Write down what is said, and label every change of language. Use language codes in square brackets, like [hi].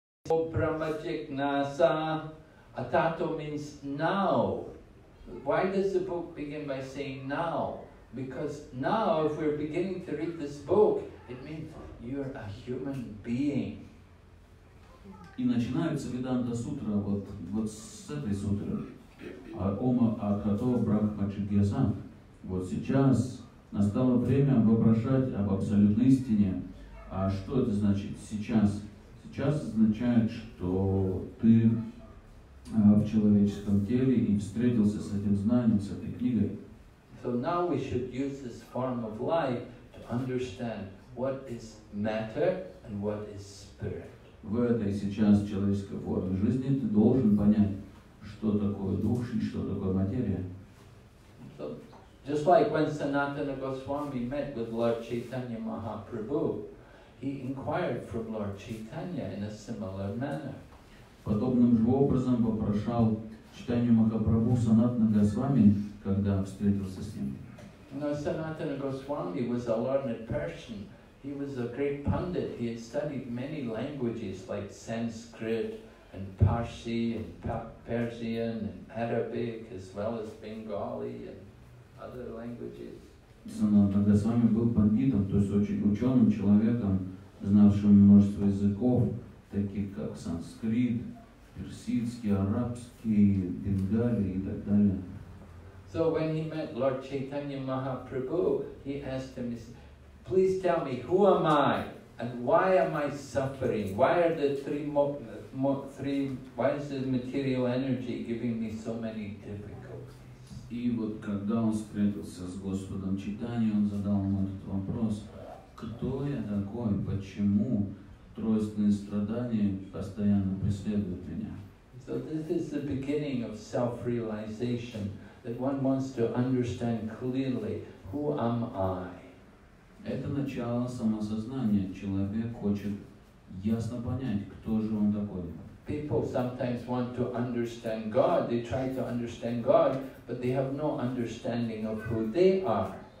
[en] O Brahma Jignasa, Atato means now. Why does the book begin by saying now? Because now, if we're beginning to read this book, it means you're a human being. [ru] И начинается Веданта Сутра вот с этой сутры. Атато Брахма Джигьяса. Вот сейчас настало время вопрошать об абсолютной истине. А что это значит сейчас? Сейчас означает, что ты в человеческом теле и встретился с этим знанием, с этой книгой. [en] So now we should use this form of life to understand what is matter and what is spirit. [ru] В этой сейчас человеческой форме жизни ты должен понять, что такое дух и что такое материя. [en] So, just like when Sanatana Goswami met with Lord Chaitanya Mahaprabhu, he inquired from Lord Chaitanya in a similar manner. [ru] Подобным же образом попрошал Чайтанью Махапрабху Санатана Госвами, когда встретился с ним. [en] Now, Sanatana Goswami was a learned person. He was a great pundit. He had studied many languages like Sanskrit and Parsi and Persian and Arabic as well as Bengali and other languages. [ru] Санатана Госвами был пандитом, то есть очень ученым человеком, знавшим множество языков, таких как санскрит, персидский, арабский, бенгали и так далее. [en] So when he met Lord Chaitanya Mahaprabhu, he asked him, please tell me, who am I and why am I suffering? Why are the why is the material energy giving me so many difficulties? [ru] И вот когда он встретился с Господом Чайтаньей, он задал ему этот вопрос. Кто я такой? Почему тройственные страдания постоянно преследуют меня? [en] So this is the beginning of self-realization, that one wants to understand clearly, who am I? [ru] Это начало самосознания. Человек хочет ясно понять, кто же он такой. [en] People sometimes want to understand God. They try to understand God, but they have no understanding of who they are.